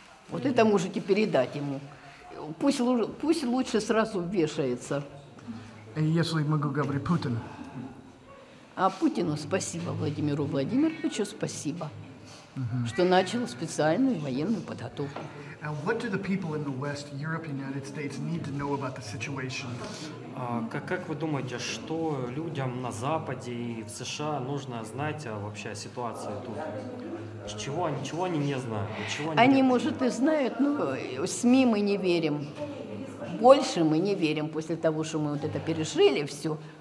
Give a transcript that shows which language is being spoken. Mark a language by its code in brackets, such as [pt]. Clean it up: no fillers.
[ru] Вот это можете передать ему. Пусть лучше сразу вешается. Если могу говорить Путин. А Путину спасибо, Владимиру Владимировичу спасибо, что начал специальную военную подготовку. [en] Now, what do the people in the West, Europe, United States need to know about the situation? [ru] Как вы думаете, что людям на Западе и в США нужно знать вообще о ситуации тут? Чего они не знают? Они, может, и знают, но СМИ мы не верим. Больше мы не верим после того, что мы вот это пережили все.